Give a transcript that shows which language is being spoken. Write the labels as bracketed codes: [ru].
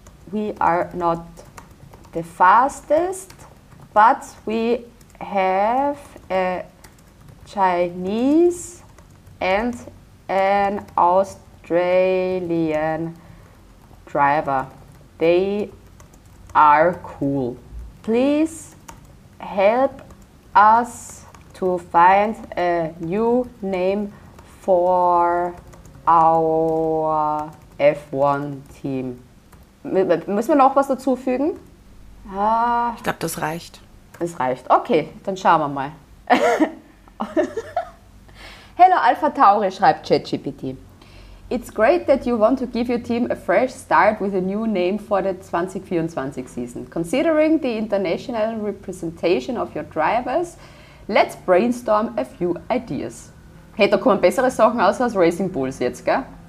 [en] We are not the fastest, but we have a Chinese and an Australian driver. They are cool. Please help us to find a new name for our F1 team. [de] Müssen wir noch was dazufügen? Ich glaube, das reicht. Es reicht. Okay, dann schauen wir mal. Hello AlphaTauri, schreibt ChatGPT. [en] It's great that you want to give your team a fresh start with a new name for the 2024 season. Considering the international representation of your drivers, let's brainstorm a few ideas. [de] Hey, da kommen bessere Sachen aus als Racing Bulls jetzt, gell?